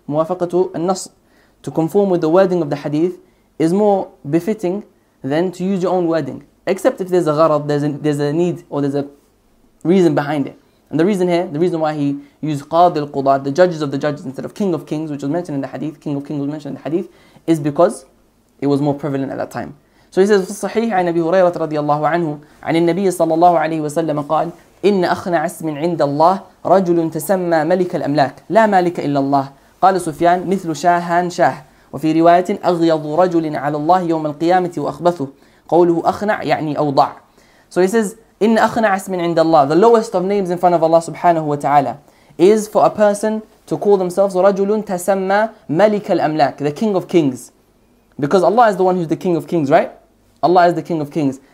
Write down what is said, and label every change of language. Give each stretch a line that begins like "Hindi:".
Arabic: موافقة النص,
English: to conform with the wording of the hadith is more befitting than to use your own wording. Except if there's a gharad, there's a need or there's a reason behind it. And the reason here, the reason why he used
Arabic: قاضي القضاة,
English: the judges of the judges, instead of king of kings, which was mentioned in the hadith, king of kings was mentioned in the hadith, is because it was more prevalent at that time. So he says,
Arabic: في الصحيح عن أبي هريرة رضي الله عنه عن النبي صلى الله عليه وسلم قال إن أخنع اسم عند الله رجل تسمى ملك الأملاك لا مالك إلا الله. قال سفيان مثل شاهان شاه. وفي رواية أغيض رجل على الله يوم القيامة وأخبثه. قوله أخنع يعني أوضع.
English: So he says,
Arabic: إن أخنع اسم عند الله,
English: the lowest of names in front of Allah subhanahu wa ta'ala, is for a person to call themselves
Arabic: رجل تسمى ملك الأملاك,
English: the king of kings. Because Allah is the one who's the king of kings, right? Allah is the king of kings.